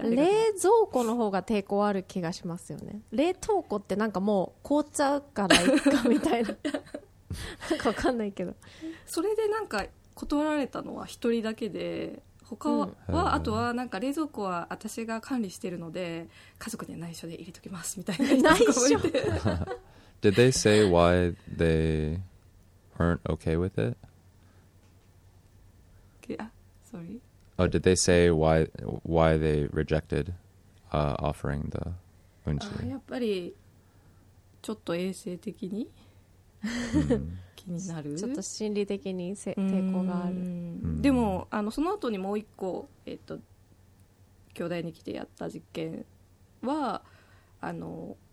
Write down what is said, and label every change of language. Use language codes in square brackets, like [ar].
[ja] なんか冷蔵庫の方が抵抗ある気がしますよね冷凍庫ってなんかもう凍っちゃうからいいかみたいななんか分かんないけど、それでなんか断られたのは一人だけで、他は、うん、はあとはなんか冷蔵庫は私が管理してるので家族に内緒で入れときますみたいな人が内緒 [en] Did they say why they aren't okay with it? Yeah, sorry. Oh, did they say why they rejected offering the unchi? [ja] やっぱりちょっと衛生的に気になる。ちょっと心理的に抵抗がある。でもあのその後にもう一個兄弟に来てやった実験はあの。